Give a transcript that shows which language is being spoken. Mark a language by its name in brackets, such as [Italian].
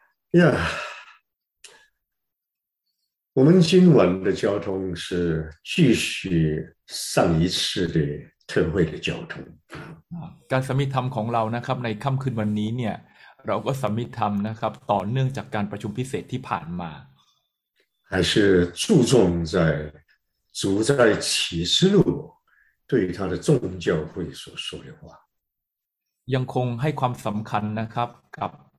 [Chinese] เนี่ย我们今晚的交通是继续上一次的特会的交通 [Thai] การสวดมนต์ธรรมของเรานะครับในค่ำคืนวันนี้เนี่ยเราก็สวดมนต์ธรรมนะครับต่อเนื่องจากการประชุมพิเศษที่ผ่านมา [Chinese] 还是注重在主在启示录对他的众教会所说的话 [Thai] ยังคงให้ความสำคัญนะครับกับ